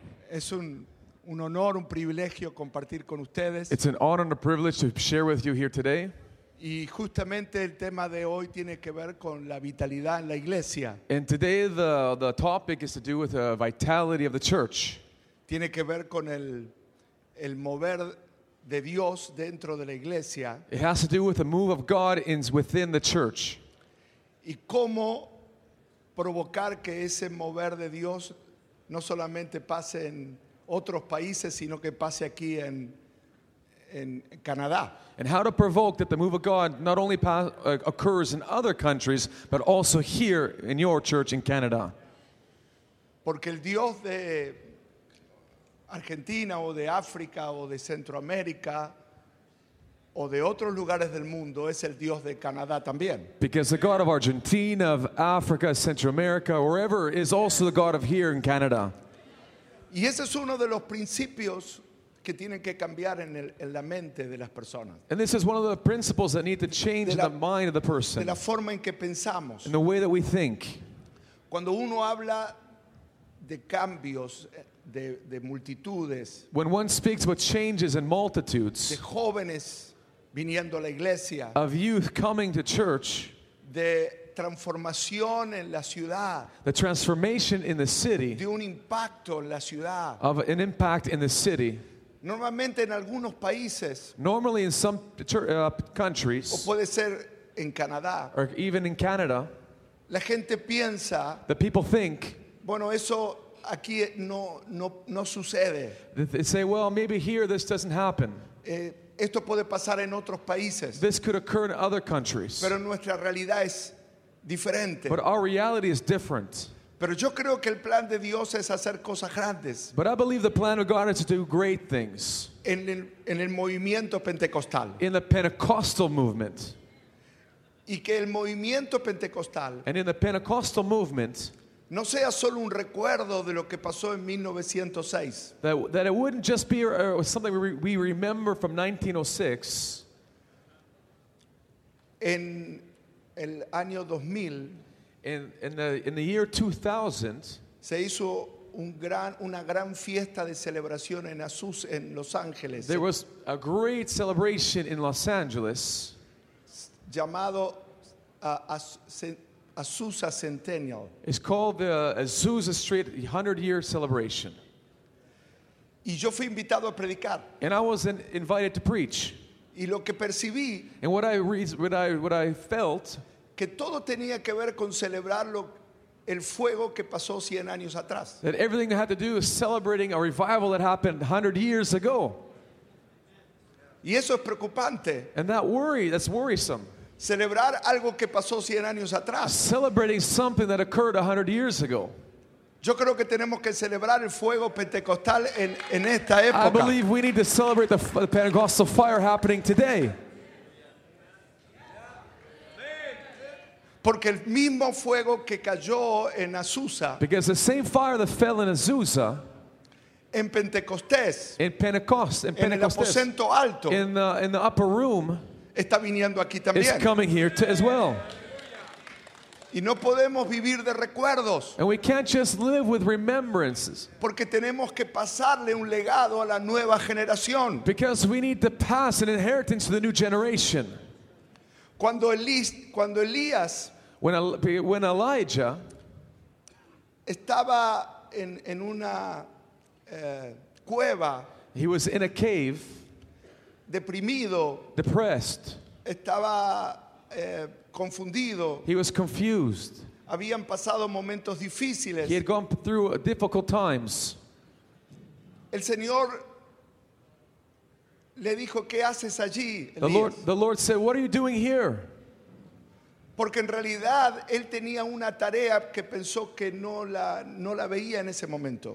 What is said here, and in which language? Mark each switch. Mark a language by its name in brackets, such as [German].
[Spanish] Es un honor, un privilegio compartir con ustedes. [English] It's an honor and a privilege to share with you here today. [Spanish] Y justamente el tema de hoy tiene que ver con la vitalidad en la iglesia. [English] And today the topic is to do with the vitality of the church. [Spanish] Tiene que ver con el mover de Dios dentro de la iglesia. [English] It has to do with the move of God within the church. [Spanish] Y cómo provocar que ese mover de Dios no solamente pase en otros países, sino que pase aquí en Canadá. [English] And how to provoke that the move of God not only occurs in other countries, but also here in your church in Canada. [Spanish] Porque el Dios de Argentina o de África o de Centroamérica o de otros lugares del mundo es el Dios de Canadá también. [English] Because the God of Argentina, of Africa, Central America, wherever, is also the God of here in Canada. [Spanish] Y ese es uno de los principios que tienen que cambiar en la mente de las personas. [English] And this is one of the principles that need to change in the mind of the person. [Spanish] De la forma en que pensamos. [English] In the way that we think. [Spanish] Cuando uno habla de cambios de multitudes. [English] When one speaks about changes and multitudes. [Spanish] De jóvenes viniendo a la iglesia, [English] of youth coming to church, [Spanish] de transformación en la ciudad, [English] the transformation in the city, [Spanish] de un impacto en la ciudad, [English] of an impact in the city, [Spanish] normalmente en algunos países, [English] normally in some countries, [Spanish] o puede ser en Canadá, [English] or even in Canada, [Spanish] la gente piensa, [English] the people think, [Spanish] bueno, eso aquí no sucede, [English] they say, well, maybe here this doesn't happen. [Spanish] Esto puede pasar en otros países. [English] This could occur in other countries. [Spanish] Pero nuestra realidad es diferente. [English] But our reality is different. [Spanish] Pero yo creo que el plan de Dios es hacer cosas grandes. [English] But I believe the plan of God is to do great things. [Spanish] En el movimiento pentecostal. [English] In the Pentecostal movement. [Spanish] Y que el movimiento pentecostal. [English] And in the Pentecostal movement. [Spanish] No sea solo un recuerdo de lo que pasó en 1906. [English] That it wouldn't just be something we remember from 1906. [Spanish] En el año 2000. [English] In the year 2000. [Spanish] Se hizo una gran fiesta de celebración en Azusa, en Los Ángeles. [English] There was a great celebration in Los Angeles. [Spanish] Llamado Azusa Centennial. [English] It's called the Azusa Street 100 Year Celebration. [Spanish] Y yo fui invitado a predicar. [English] And I was invited to preach. [Spanish] Y lo que percibí, [English] and what I felt, [Spanish] que todo tenía que ver con celebrarlo, el fuego que pasó 100 años atrás. [English] That everything had to do with celebrating a revival that happened 100 years ago. [Spanish] Y eso es preocupante. [English] And that's worrisome. [Spanish] Celebrar algo que pasó 100 años atrás. [English] Celebrating something that occurred 100 years ago. [Spanish] Yo creo que tenemos que celebrar el fuego pentecostal en esta época. [English] I believe we need to celebrate the Pentecostal fire happening today. [Spanish] Porque el mismo fuego que cayó en Azusa. [English] Because the same fire that fell in Azusa. [Spanish] En Pentecostés. [English] In Pentecost. In Pentecostés. [Spanish] En el aposento alto. [English] In the upper room. [Spanish] Está viniendo aquí también. [English] It's coming here as well. [Spanish] Y no podemos vivir de recuerdos. [English] And we can't just live with remembrances. [Spanish] Porque tenemos que pasarle un legado a la nueva generación. [English] Because we need to pass an inheritance to the new generation. [Spanish] Cuando Elías, [English] when Elijah [Spanish] estaba en una cueva, [English] he was in a cave. [Spanish] Deprimido, [English] depressed. [Spanish] Estaba confundido. [English] He was confused. [Spanish] Habían pasado momentos difíciles. [English] He had gone through difficult times. [Spanish] El Señor Le dijo, ¿qué haces allí, Elías? [English] The Lord said, what are you doing here? [Spanish] Porque en realidad él tenía una tarea que pensó que no la veía en ese momento.